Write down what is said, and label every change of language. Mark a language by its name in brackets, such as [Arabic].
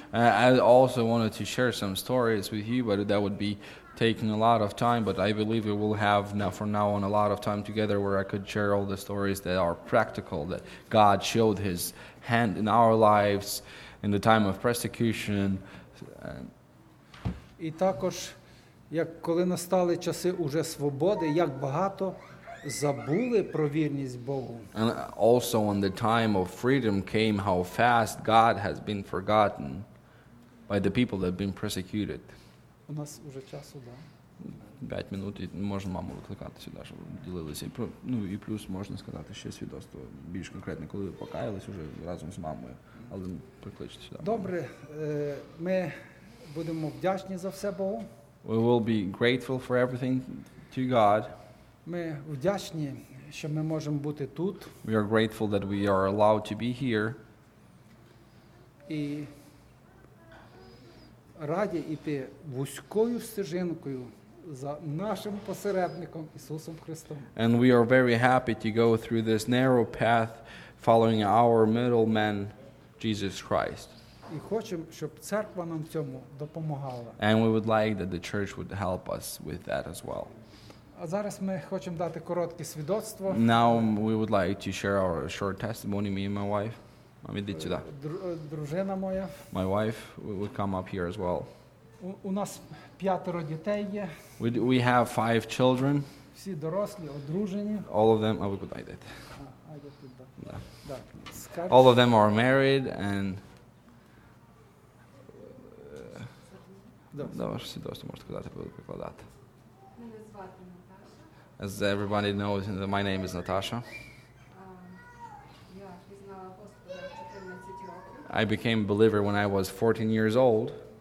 [English] I also wanted to share some stories with you, but that would be taking a lot of time, but I believe we will have now from now on a lot of time together where I could share all the stories that are practical, that God showed his hand in our lives in the time of persecution. [Ukrainian] І також, як коли настали часи уже свободи, як багато забули про вірність Богу. [English] And also when the time of freedom came, how fast God has been forgotten. by the people that have been persecuted. [Ukrainian] У нас уже часу, да. 5 минут і можна маму викликати сюди, щоб ділилися. Ну, і плюс можна сказати ще свідоцтво більш конкретне, коли ви покаялись уже разом з мамою, але прикличте сюди. Добре. Ми будемо вдячні за все Богу. [English] We will be grateful for everything to God. [Ukrainian] Ми вдячні, що ми можемо бути тут. [English] We are grateful that we are allowed to be here. [Ukrainian] І раді іти вузькою стежинкою за нашим посередником Ісусом Христом. [English] And we are very happy to go through this narrow path following our middleman Jesus Christ. [Ukrainian] І хочемо, щоб церква нам цьому допомагала. [English] And we would like that the church would help us with that as well. [Ukrainian] А зараз ми хочемо дати коротке свідоцтво. [English] Now we would like to share our short testimony, me and my wife. [Ukrainian] Мамідіть сюди. Дружина моя. [English] My wife would come up here as well. [Ukrainian] У нас п'ятеро дітей є. [English] We have 5 children. [Ukrainian] Всі дорослі, одружені. [English] All of them are good at it. [Ukrainian] Да. [English] All of them are married and [Ukrainian] Добре, всі досі можете сказати, буду прикладати. Мене звати Наташа. [English] As everybody knows, my name is Natasha. [Ukrainian] Я пізнала Господа 14 років. [English] I became a believer when I was 14 years old.